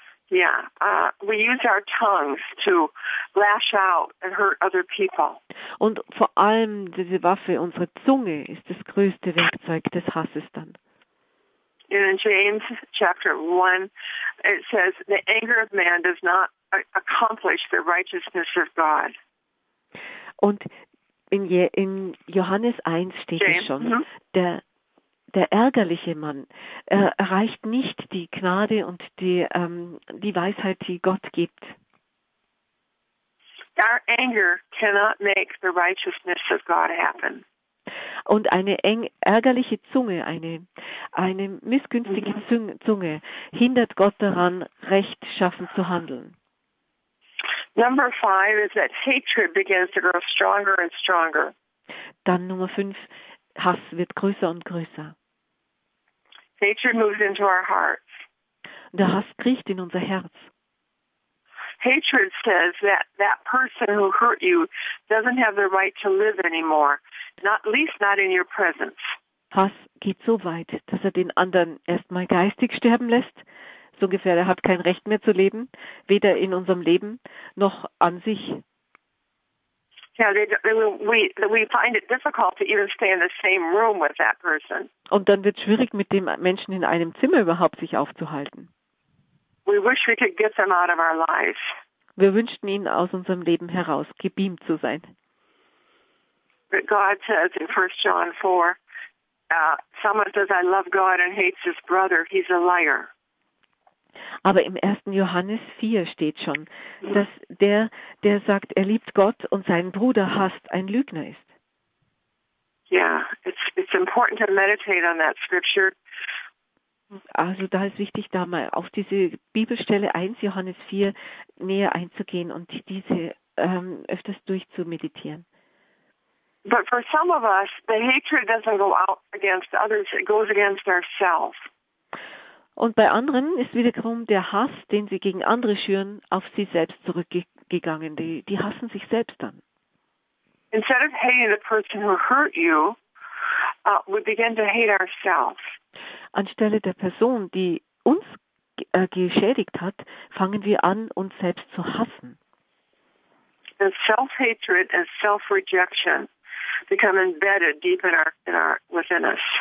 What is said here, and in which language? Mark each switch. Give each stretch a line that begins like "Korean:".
English: Yeah, we use our tongues to lash out and hurt other people.
German: Und vor allem diese Waffe, unsere Zunge, ist das größte Werkzeug des Hasses dann.
English: In James chapter 1, it says, the anger of man does not accomplish the righteousness of God.
German: Und in Johannes 1 steht James. Es schon, der ärgerliche Mann erreicht nicht die Gnade und die Weisheit, die Gott gibt.
English: Our anger cannot make the righteousness of God happen.
German: Und eine ärgerliche Zunge, eine missgünstige Zunge hindert Gott daran, rechtschaffend zu handeln.
English: Number five is that hatred begins to grow stronger and stronger.
German: Dann Nummer 5, Hass wird größer und größer.
English: Hatred moves into our hearts.
German: Der Hass kriecht in unser Herz.
English: Hatred says that person who hurt you doesn't have the right to live anymore. Not least not in your presence.
German: Hass geht so weit, dass er den anderen erstmal geistig sterben lässt. So ungefähr, er hat kein Recht mehr zu leben, weder in unserem Leben noch an sich.
English: Yeah, we find it difficult to even stay in the same room with that person.
German: Und dann wird es schwierig, mit dem Menschen in einem Zimmer überhaupt sich aufzuhalten.
English: We wish we could get them out of our lives.
German: Wir wünschten ihn aus unserem Leben heraus gebeamt zu sein.
English: But God says in 1 John 4, someone says, I love God and hates his brother. He's a liar.
German: Aber im 1. Johannes 4 steht schon, dass der sagt, er liebt Gott und seinen Bruder hasst, ein Lügner ist.
English: Yeah, it's important to meditate on that scripture.
German: Also da ist wichtig, da mal auf diese Bibelstelle 1 Johannes 4 näher einzugehen und diese öfters durchzumeditieren.
English: But for some of us, the hatred doesn't go out against others, it goes against ourselves.
German: Und bei anderen ist wiederum der Hass, den sie gegen andere schüren, auf sie selbst zurückgegangen. Die hassen sich selbst dann.
English: Instead of hating the person who hurt you, we begin to hate ourselves.
German: Anstelle der Person, die uns geschädigt hat, fangen wir an, uns selbst zu hassen.
English: And self-hatred and self-rejection become embedded deep within us.